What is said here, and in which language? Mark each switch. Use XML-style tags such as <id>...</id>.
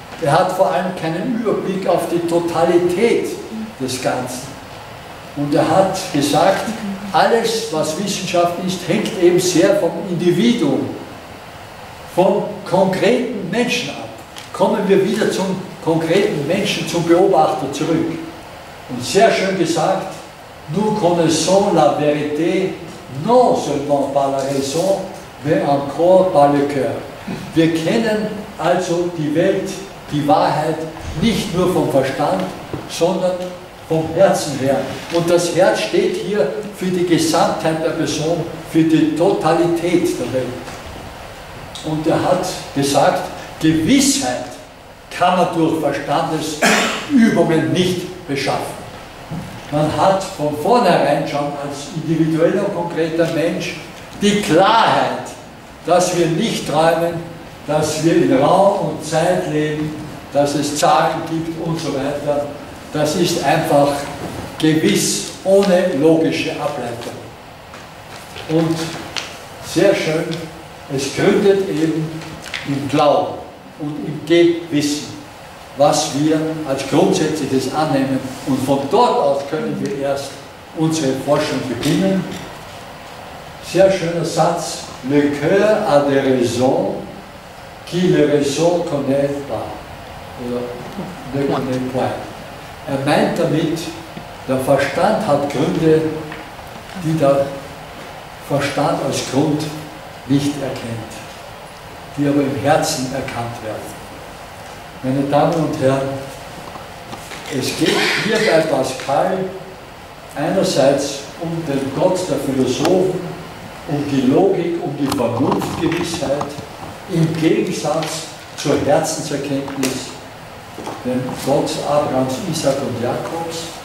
<de>Er hat vor allem keinen Überblick auf die Totalität des Ganzen. Und er hat gesagt, alles, was Wissenschaft ist, hängt eben sehr vom Individuum, vom konkreten Menschen ab. Kommen wir wieder zum konkreten Menschen, zum Beobachter zurück. Und sehr schön gesagt,</de> <fr>nous connaissons la vérité non seulement par la raison, mais encore par le cœur.</fr> <de>Wir kennen also die Welt, die Wahrheit, nicht nur vom Verstand, sondern vom Herzen her. Und das Herz steht hier für die Gesamtheit der Person, für die Totalität der Welt. Und er hat gesagt, Gewissheit kann man durch Verstandesübungen nicht beschaffen. Man hat von vornherein schon als individueller, konkreter Mensch die Klarheit, dass wir nicht träumen, dass wir in Raum und Zeit leben, dass es Zahlen gibt und so weiter, das ist einfach gewiss ohne logische Ableitung. Und sehr schön, es gründet eben im Glauben und im Gewissen, was wir als Grundsätzliches annehmen. Und von dort aus können wir erst unsere Forschung beginnen. Sehr schöner Satz,</de> <fr>le cœur a des raisons qui le raison connaît pas.</fr> <de>Oder</de> <fr>ne connaît pas.</fr> <de>Er meint damit, der Verstand hat Gründe, die der Verstand als Grund nicht erkennt, die aber im Herzen erkannt werden. Meine Damen und Herren, es geht hier bei Pascal einerseits um den Gott der Philosophen, um die Logik, um die Vernunftgewissheit im Gegensatz zur Herzenserkenntnis, dem Gott Abrahams, Isaak und Jakobs.</de>